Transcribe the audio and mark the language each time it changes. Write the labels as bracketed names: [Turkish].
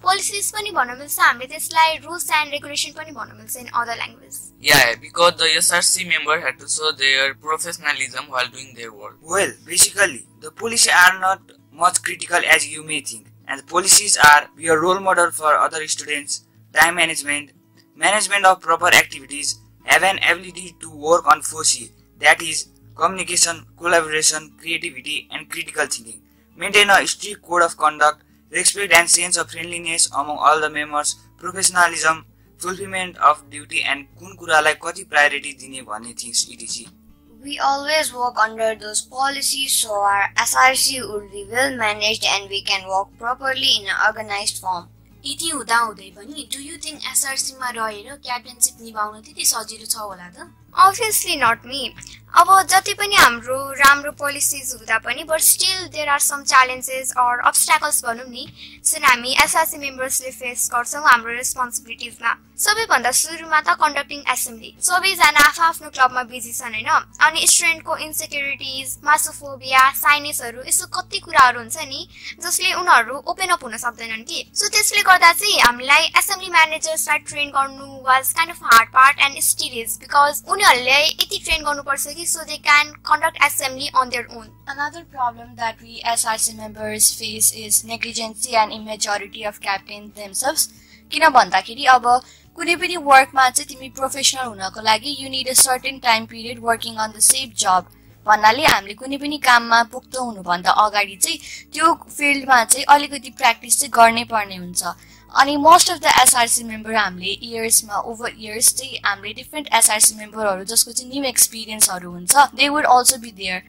[Nepali] Policies पनि भन्न मिल्छ, हामीले त्यसलाई रुल्स एन्ड रेगुलेसन पनि भन्न मिल्छ [English] In other language. Yeah, because the SRC member had to show their professionalism while doing their work. Well, basically, the policies are not much critical as you may think. And the policies are your role model for other students, time management, management of proper activities, have an ability to work on 4C, that is, communication, collaboration, creativity, and critical thinking. Maintain a strict code of conduct, respect and sense of friendliness among all the members, professionalism, fulfillment of duty and [Nepali] kun kura lai kati priority dine bhanne things [English] etc. We always work under those policies so our SRC would be well managed and we can work properly in an organized form. [Nepali] यति हुँदाहुँदै पनि [English] do you think [Nepali] एसआरसीमा रहेर क्याप्टनसिप निभाउनु त्यति सजिलो छ होला त? [English] Obviously not me. [Nepali] अब जति पनि हाम्रो राम्रो पोलिसिज हुँदा पनि [English] but still there are some challenges or obstacles [Nepali] भनौँ नि जुन हामी एसआरसी मेम्बर्सले फेस गर्छौँ हाम्रो रेस्पोन्सिबिलिटिजमा. सबैभन्दा सुरुमा त कन्डक्टिङ एसेम्ब्ली, सबैजना आफ आफ्नो क्लबमा बिजी छन् होइन, अनि स्टुडेन्टको इन्सेक्युरिटिज, मासोफोबिया, साइनेसहरू, यस्तो कति कुराहरू हुन्छ नि जसले उनीहरू ओपन अप हुन सक्दैनन् कि. सो त्यसले गर्दा चाहिँ हामीलाई एसेम्ब्ली म्यानेजर्सलाई ट्रेन गर्नु [English] was kind of hard part and still is, because [Nepali] उनीहरूले यति ट्रेन गर्नुपर्छ कि [English] So they can conduct assembly on their own. Another problem that we SRC members face is negligence and immaturity of captains themselves. [Nepali] किन भन्दाखेरि अब कुनै पनि वर्कमा चाहिँ तिमी प्रोफेसनल हुनको लागि [English] you need a certain time period working on the safe job, [Nepali] भन्नाले हामीले कुनै पनि काममा पुग्दो हुनुभन्दा अगाडि चाहिँ त्यो फिल्डमा चाहिँ अलिकति प्र्याक्टिस चाहिँ गर्नै पर्ने हुन्छ. अनि [English] most of the SRC member [Nepali] हामीले इयर्समा ओभर इयर्स चाहिँ हामीले डिफ्रेन्ट एसआरसी मेम्बरहरू जसको चाहिँ न्यू एक्सपिरियन्सहरू हुन्छ [English] They would also be there.